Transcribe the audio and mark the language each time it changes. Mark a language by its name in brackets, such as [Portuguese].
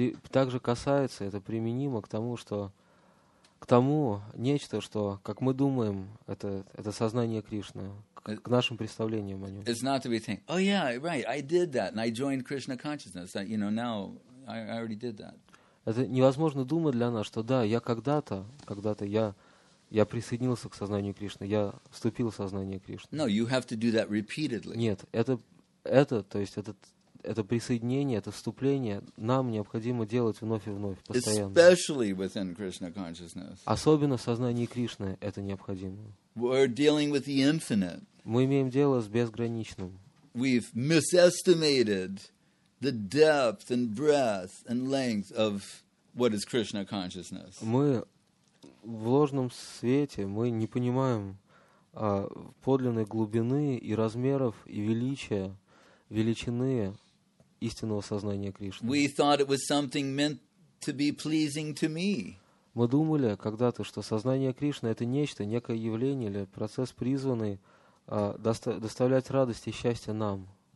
[Russian] Также касается, это применимо к тому, что к тому нечто, что, как мы думаем, это сознание Кришны, к нашим представлениям о нем. [English] It's not to be thinking, oh yeah, right, I did that, and I joined Krishna consciousness, that, you know, now I already did that. [Russian] Это невозможно думать для нас, что да, я когда-то я присоединился к сознанию Кришны, я вступил в сознание Кришны. [English] No, you have to do that repeatedly. [Russian] Нет, это присоединение, это вступление нам необходимо делать вновь и вновь, постоянно. [English] Especially within Krishna consciousness. [Russian] Особенно в сознании Кришны это необходимо. [English] We're dealing with the infinite. [Russian] Мы имеем дело с безграничным. [English] We've misestimated the depth and breadth and length of what is Krishna consciousness. [Russian] Мы в ложном свете, мы не понимаем подлинной глубины и размеров и величия, величины истинного сознания Кришны. [English] We thought it was something meant to be pleasing to me. [Russian] Мы думали когда-то, что сознание Кришны — это нечто, некое явление или процесс, призванный доставлять радость и счастье нам.